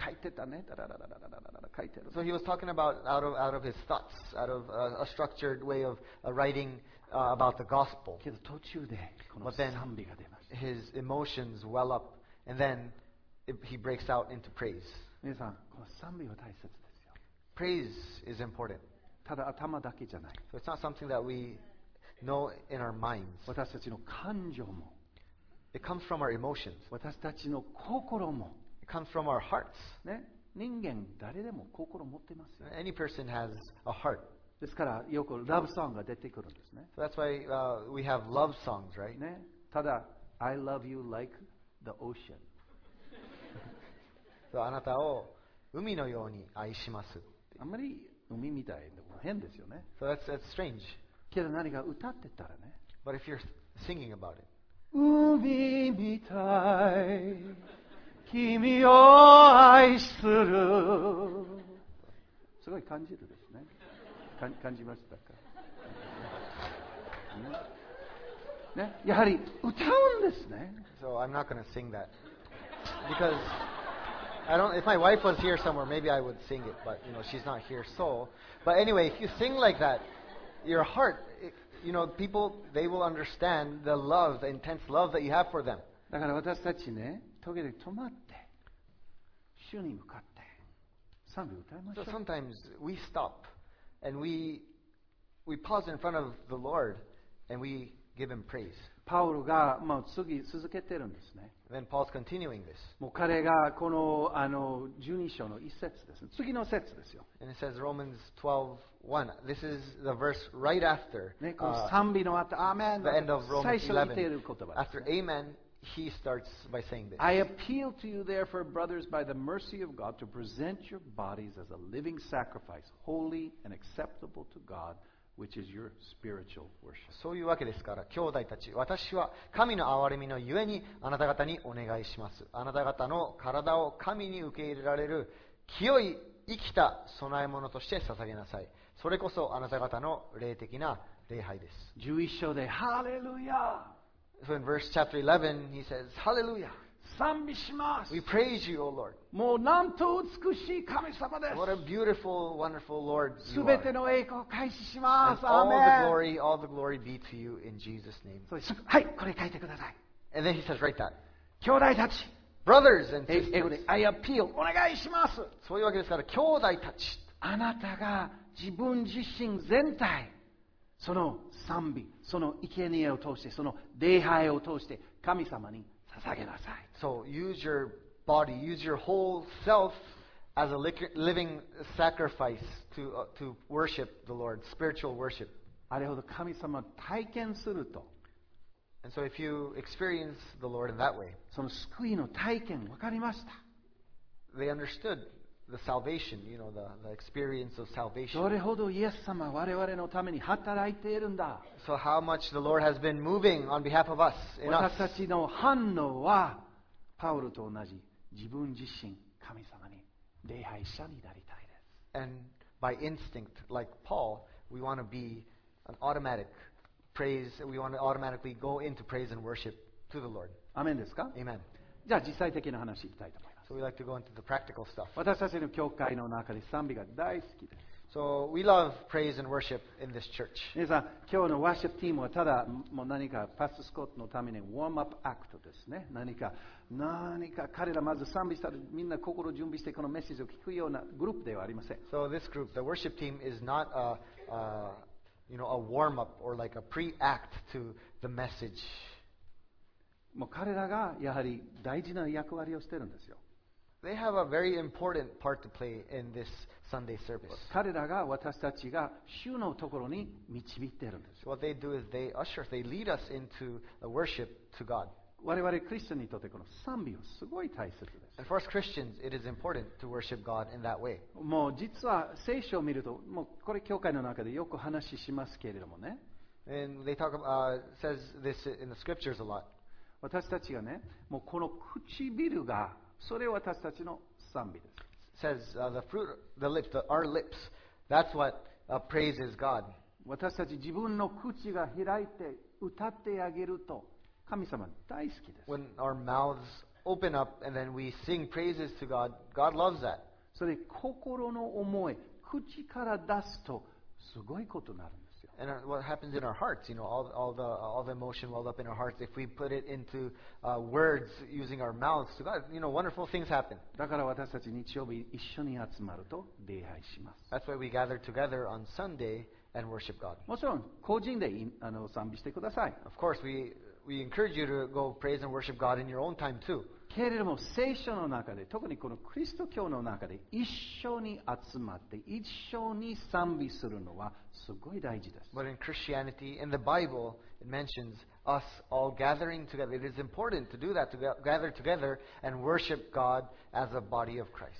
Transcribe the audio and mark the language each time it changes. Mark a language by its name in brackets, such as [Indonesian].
[Japanese] 書いてたね、だら書いてる。 [English] So he was talking about out of his thoughts, out of a structured way of writing about the gospel. [Japanese] けど途中でこの賛美が出ます。 [English] His emotions well up, and then he breaks out into praise. [Japanese] 皆さん、この賛美は大切ですよ。 [English] Praise is important. [Japanese] ただ頭だけじゃない。 [English] So it's not something that we know in our minds. [Japanese] 私たちの感情も。 [English] It comes from our emotions. [Japanese] 私たちの心も。 [English] It comes from our hearts. [Japanese] ね、人間誰でも心持ってますよ。 [English] Any person has a heart. [Japanese] ですからよくラブソングが出てくるんですね。 [English] So that's why we have love songs, right? [Japanese] ね、ただ [English] I love you like the ocean. [Japanese] So あなたを海のように愛します。あんまり海みたいでも変ですよね。 [English] So that's strange. [Japanese] けど何か歌ってたらね。 [English] But if you're singing about it. [Japanese] 海みたい、君を愛する。すごい感じるですね。感じましたか。ね、ね、やはり歌うんですね。 [English] So I'm not going to sing that because. I don't. If my wife was here somewhere, maybe I would sing it. But you know, she's not here. So, but anyway, if you sing like that, your heart, you know, people they will understand the love, the intense love that you have for them. [Japanese] だから私たちね、時々止まって、主に向かって、賛美歌いましょう。 [English] So sometimes we stop, and we pause in front of the Lord, and we give Him praise. [Japanese] パウロが、まあ、次続けてるんですね。 [English] Then Paul's continuing this. [Japanese] もう彼がこの、あの12章の一節です、ね。次の節ですよ。 [English] And it says Romans 12:1. This is the verse right after. [Japanese] ね、この賛美の後、アーメン。 [English] The end of Romans 11. [Japanese] 最初に言っている言葉、ね。 [English] After Amen, he starts by saying this. I appeal to you, therefore, brothers, by the mercy of God, to present your bodies as a living sacrifice, holy and acceptable to God. Which is your spiritual worship. [Japanese] そういうわけですから、兄弟たち、私は神の憐れみのゆえにあなた方にお願いします。あなた方の体を神に受け入れられる清い生きた供え物として捧げなさい。それこそあなた方の霊的な礼拝です。 11章で、ハレルヤ。 [English] So in verse chapter 11, he says, Hallelujah. [Japanese] 賛美します。 [English] We praise you, O Lord. [Japanese] もうなんと美しい神様です。 [English] What a beautiful, wonderful Lord you are. [Japanese] すべての栄光を返しします。 [English] And all the glory be to you in Jesus' name. [Japanese] そうです。はい、これ書いてください。 [English] And then he says, write that. [Japanese] 兄弟たち。 [English] Brothers and sisters. [Japanese] 英語で、 [English] I appeal. [Japanese] お願いします。そういうわけですから、兄弟たち。あなたが自分自身全体、その賛美、その生贄を通して、その礼拝を通して、神様に捧げなさい。 [English] So use your body, use your whole self as a living sacrifice to worship the Lord, spiritual worship. [Japanese] あれほど神様を体験すると。 [English] And so if you experience the Lord in that way, [Japanese] その救いの体験分かりました。 [English] They understood the salvation, you know, the experience of salvation. [Japanese] どれほどイエス様は我々のために働いているんだ。 [English] So how much the Lord has been moving on behalf of us, in us. [Japanese] 私たちの反応はパウロと同じ自分自身神様に礼拝者になりたいです。 [English] And by instinct, like Paul, we want to be an automatic praise. We want to automatically go into praise and worship to the Lord. [Japanese] アメンですか？ [English] Amen. [Japanese] じゃあ実際的な話いきたいと思います。 [English] So we like to go into the practical stuff. [Japanese] 私たちの教会の中で賛美が大好きです。 [English] So we love praise and worship in this church. [Japanese] 皆さん、今日のワーシップチームはただもう何かパスタスコットのためにウォームアップアクトですね。何か彼らまず賛美したらみんな心準備してこのメッセージを聞くようなグループではありません。 [English] So this group, the worship team, is not a warm up or like a pre-act to the message. [Japanese] もう彼らがやはり大事な役割をしてるんですよ。 [English] They have a very important part to play in this Sunday service. [Japanese] 彼らが私たちが主のところに導いてるんです。 [English] What they do is they usher, they lead us into the worship to God. [Japanese] 我々クリスチャンにとってこの賛美はすごい大切です。 [English] And for us Christians, it is important to worship God in that way. [Japanese] もう実は聖書を見ると、もうこれ教会の中でよく話しますけれどもね。 [English] And they talk about, says this in the scriptures a lot. [Japanese] 私たちがね、もうこの唇がそれは私たちの賛美です。 [English] Says the fruit, the lips, our lips. That's what praises God. [Japanese] 私たち自分の口が開いて歌ってあげると神様大好きです。 [English] When our mouths open up and then we sing praises to God, God loves that. [Japanese] それ心の思い口から出すとすごいことになるんですよ。 [English] And what happens in our hearts, you know, all the emotion welled up in our hearts if we put it into words using our mouths to God, you know, wonderful things happen. [Japanese] だから私たち日曜日一緒に集まると礼拝します。 [English] That's why we gather together on Sunday and worship God. [Japanese] もちろん個人で賛美してください。 [English] Of course, we encourage you to go praise and worship God in your own time too. [Japanese] けれども聖書の中で、特にこのクリスト教の中で一緒に集まって一緒に賛美するのはすごい大事です。 [English] But in Christianity, in the Bible, it mentions us all gathering together. It is important to do that, to gather together and worship God as a body of Christ.